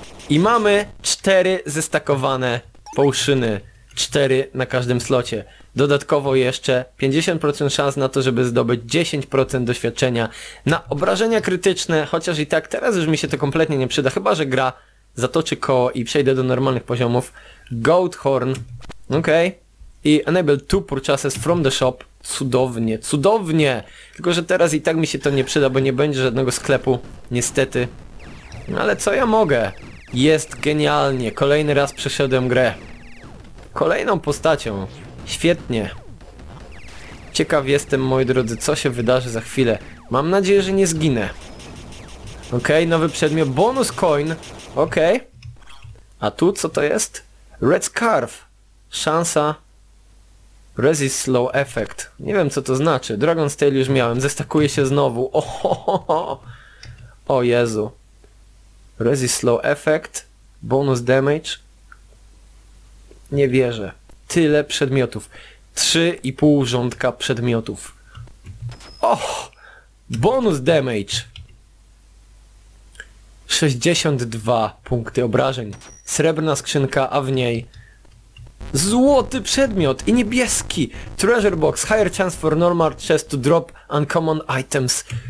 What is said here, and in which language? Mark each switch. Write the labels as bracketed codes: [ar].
[pl] I mamy 4 zestakowane połszyny. 4 na każdym slocie. Dodatkowo jeszcze 50% szans na to, żeby zdobyć 10% doświadczenia na obrażenia krytyczne. Chociaż i tak teraz już mi się to kompletnie nie przyda. Chyba że gra zatoczy koło i przejdę do normalnych poziomów. Goathorn. Okej. [en] I enable 2 purchases from the shop. [pl] Cudownie, cudownie! Tylko że teraz i tak mi się to nie przyda, bo nie będzie żadnego sklepu. Niestety. Ale co ja mogę? Jest genialnie. Kolejny raz przeszedłem grę. Kolejną postacią. Świetnie. Ciekaw jestem, moi drodzy, co się wydarzy za chwilę. Mam nadzieję, że nie zginę. Okej, nowy przedmiot. Bonus coin. Okej. A tu co to jest? Red Scarf. Szansa. Resist Slow Effect. Nie wiem, co to znaczy. Dragon's Tail już miałem. Zestakuje się znowu. Ohohoho. O Jezu. Resist Slow Effect. Bonus Damage. Nie wierzę. Tyle przedmiotów. 3,5 rządka przedmiotów. Och! Bonus Damage. 62 punkty obrażeń. Srebrna skrzynka, a w niej złoty przedmiot i niebieski. Treasure Box. [en] Higher chance for normal chest to drop uncommon items.